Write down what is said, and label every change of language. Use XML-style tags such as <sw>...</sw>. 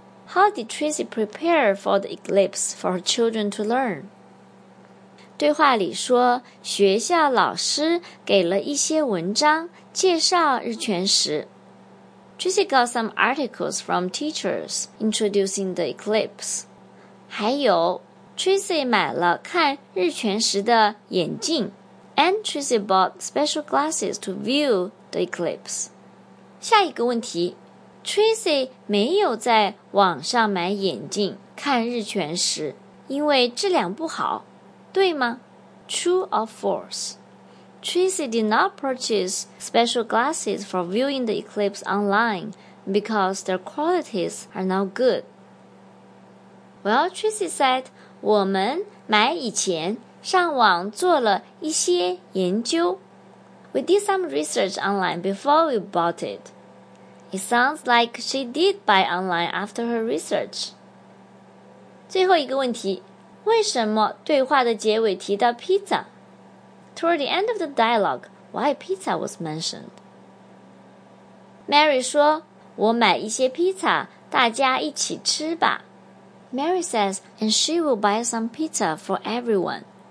<en>？How did Tracy prepare for the eclipse for her children to learn?</en> <zh>对话里说，学校老师给了一些文章。介绍日全食</zh> <en>Tracy got some articles from teachers introducing the eclipse.</en> <zh>还有 Tracy 买了看日全食的眼镜</zh> <en>And Tracy bought special glasses to view the eclipse.</en> <zh>下一个问题 Tracy 没有在网上买眼镜看日全食因为质量不好对吗</zh> <en>True or false? Tracy did not purchase special glasses for viewing the eclipse online because their qualities are not good. Well, Tracy said,</en> <zh>我们买以前上网做了一些研究。</zh> <en>We did some research online before we bought it. It sounds like she did buy online after her research.</en> <zh>最后一个问题，为什么对话的结尾提到披萨？</zh> <en>Toward the end of the dialogue, why pizza was mentioned?</en> <zh>Mary 说，我买一些披萨，大家一起吃吧。</zh> <en>Mary says, and she will buy some pizza for everyone.</en>